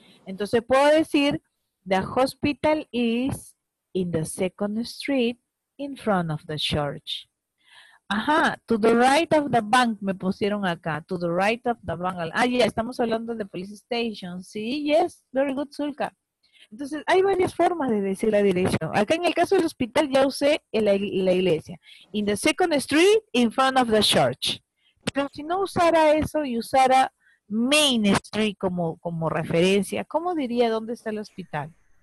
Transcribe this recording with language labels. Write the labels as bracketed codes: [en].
[es] Entonces puedo decir, [en] the hospital is in the second street in front of the church. Ajá, to the right of the bank, [es] me pusieron acá, [en] to the right of the bank. Ah, ya, yeah, [es] estamos hablando de [en] police station, sí, yes, very good, Zulka. [es] Entonces, hay varias formas de decir la dirección. Acá en el caso del hospital ya usé la iglesia. [en] In the second street, in front of the church. [es] Pero si no usara eso y usara Main Street como referencia, ¿cómo diría dónde está el hospital?